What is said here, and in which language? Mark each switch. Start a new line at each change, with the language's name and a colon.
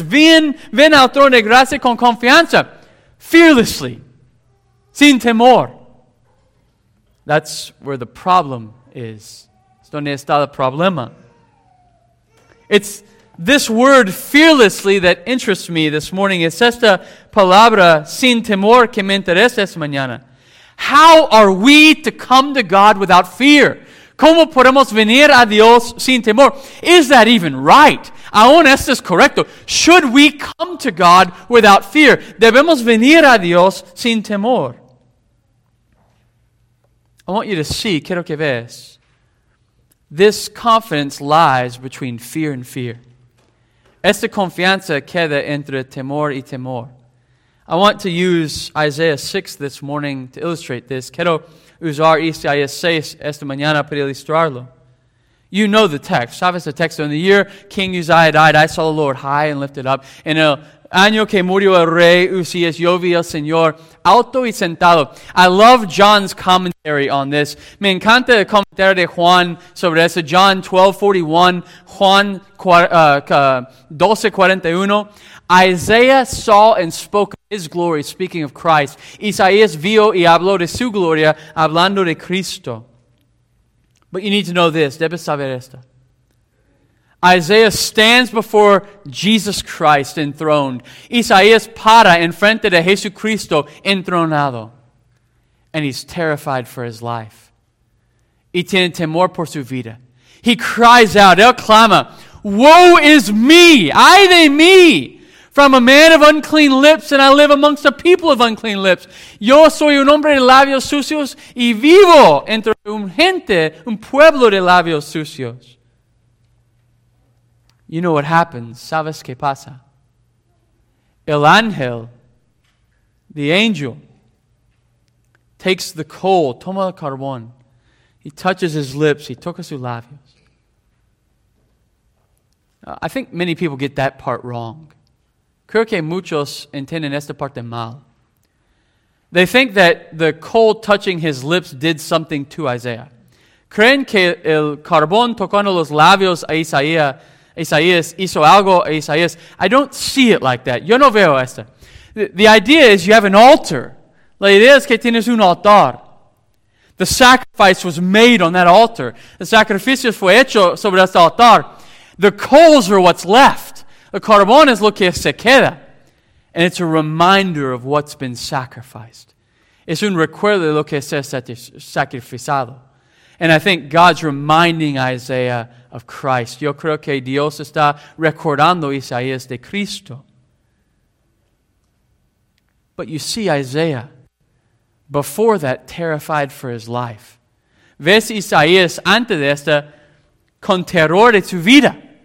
Spanish: Ven al trono de gracia con confianza.
English: Fearlessly.
Spanish: Sin temor.
English: That's where the problem is.
Spanish: Es donde está el problema.
English: It's this word, fearlessly, that interests me this morning.
Spanish: Es esta palabra, sin temor, que me interesa esta mañana.
English: How are we to come to God without fear?
Spanish: ¿Cómo podemos venir a Dios sin temor?
English: Is that even right?
Spanish: Aún esto es correcto.
English: Should we come to God without fear?
Spanish: ¿Debemos venir a Dios sin temor?
English: I want you to see,
Spanish: quiero que veas,
English: this confidence lies between fear and fear.
Spanish: Esta confianza queda entre temor y temor.
English: I want to use Isaiah 6 this morning to illustrate this.
Spanish: Quiero usar Isaías 6 esta mañana para ilustrarlo.
English: You know the text.
Spanish: Sabes el texto.
English: In the year King Uzziah died, I saw the Lord high and lifted up.
Spanish: En el año que murió el rey Uzzías, yo vi al Señor alto y sentado.
English: I love John's commentary on this.
Spanish: Me encanta el comentario de Juan sobre eso.
English: John 12:41, Juan 12:41. Isaiah saw and spoke of his glory, speaking of Christ.
Spanish: Isaías vio y habló de su gloria, hablando de Cristo.
English: But you need to know this.
Spanish: Debes saber esto.
English: Isaiah stands before Jesus Christ enthroned.
Spanish: Isaías para en frente de Jesucristo entronado.
English: And he's terrified for his life.
Spanish: Y tiene temor por su vida.
English: He cries out,
Spanish: él clama,
English: woe is me,
Spanish: ay de mí.
English: From a man of unclean lips, and I live amongst the people of unclean lips.
Spanish: Yo soy un hombre de labios sucios, y vivo entre un gente, un pueblo de labios sucios.
English: You know what happens.
Spanish: ¿Sabes qué pasa? El ángel,
English: the angel, takes the coal,
Spanish: toma el carbón.
English: He touches his lips, he
Spanish: toca sus labios.
English: I think many people get that part wrong.
Spanish: Creo que muchos entienden esta parte mal.
English: They think that the coal touching his lips did something to Isaiah.
Spanish: Creen que el carbón tocando los labios a Isaías hizo algo a Isaías.
English: I don't see it like that.
Spanish: Yo no veo esto.
English: The idea is you have an altar.
Spanish: La idea es que tienes un altar.
English: The sacrifice was made on that altar.
Spanish: El sacrificio fue hecho sobre este altar.
English: The coals are what's left.
Spanish: The carbón es lo que se queda.
English: And it's a reminder of what's been sacrificed.
Spanish: Es un recuerdo de lo que se ha sacrificado.
English: And I think God's reminding Isaiah of Christ.
Spanish: Yo creo que Dios está recordando Isaías de Cristo.
English: But you see Isaiah, before that, terrified for his life.
Spanish: Ves Isaías antes de esta con terror de su vida.